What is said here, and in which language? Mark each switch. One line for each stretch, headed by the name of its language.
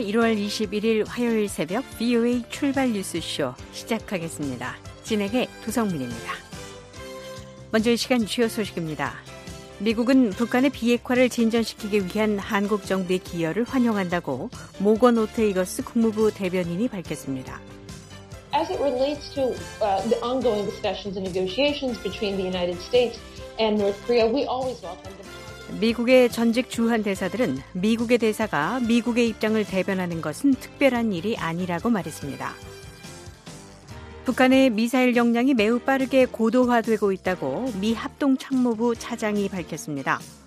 Korean: 1월 21일 화요일 새벽 VOA 출발 뉴스 쇼 시작하겠습니다. 진행의 두성민입니다. 먼저 이 시간 주요 소식입니다. 미국은 북한의 비핵화를 진전시키기 위한 한국 정부의 기여를 환영한다고 모건 오트이거스 국무부 대변인이 밝혔습니다.
English: As it relates to the ongoing discussions and negotiations between the United States and North Korea, we always welcome them.
Korean: 미국의 전직 주한 대사들은 미국의 대사가 미국의 입장을 대변하는 것은 특별한 일이 아니라고 말했습니다. 북한의 미사일 역량이 매우 빠르게 고도화되고 있다고 미 합동참모부 차장이 밝혔습니다.